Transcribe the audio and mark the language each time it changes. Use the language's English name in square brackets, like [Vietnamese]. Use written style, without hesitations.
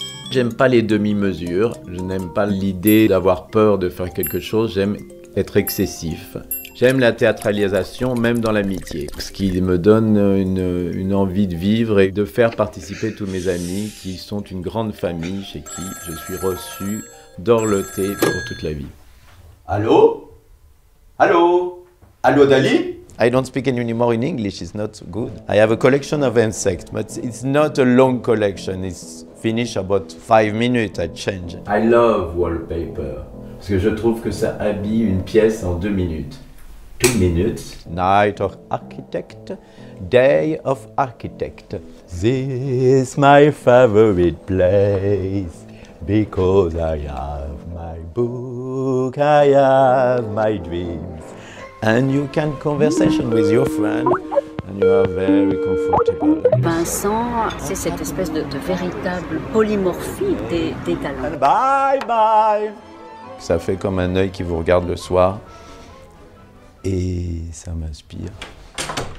[French] J'aime pas les demi-mesures, je n'aime pas l'idée d'avoir peur de faire quelque chose, j'aime être excessif. J'aime la théâtralisation, même dans l'amitié, ce qui me donne une envie de vivre et de faire participer tous mes amis qui sont une grande famille chez qui je suis reçu d'orloté pour toute la vie. Allô? Allô? Allô Dali? [English] I don't speak anymore in English, it's not good. I have a collection of insects, but it's not a long collection. It's finished about 5 minutes, I change. I love wallpaper, [French] parce que je trouve que ça habille une pièce en 2 minutes. 2 minutes. [English] Night of architect, day of architect. This my favorite place, because I have my book, I have my dreams. And you can conversation with your friend, and you are very comfortable. [French] Vincent, c'est cette espèce de véritable polymorphie des talents. [English] Bye bye. [French] Ça fait comme un œil qui vous regarde le soir, et ça m'inspire.